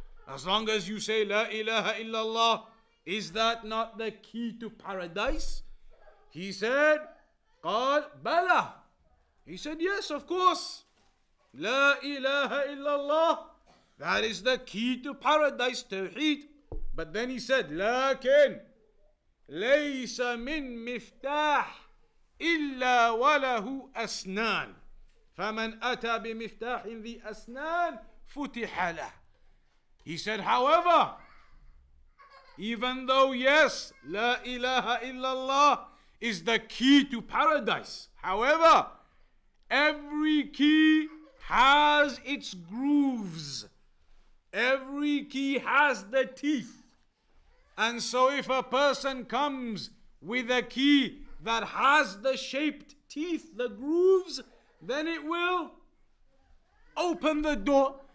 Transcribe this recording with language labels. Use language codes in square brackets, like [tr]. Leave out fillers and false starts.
[en] As long as you say La ilaha illallah, is that not the key to paradise? He said, [ar] قال بلى. [en] He said, yes, of course. La ilaha illallah, that is the key to paradise, tawheed. But then he said, [ar] لكن ليس من مفتاح إلا وله أسنان. فمن أتى بمفتاح ذي أسنان فتح له. [en] He said, however, even though yes, La ilaha illallah is the key to paradise, however, every key has its grooves. Every key has the teeth. And so if a person comes with a key that has the shaped teeth, the grooves, then it will open the door.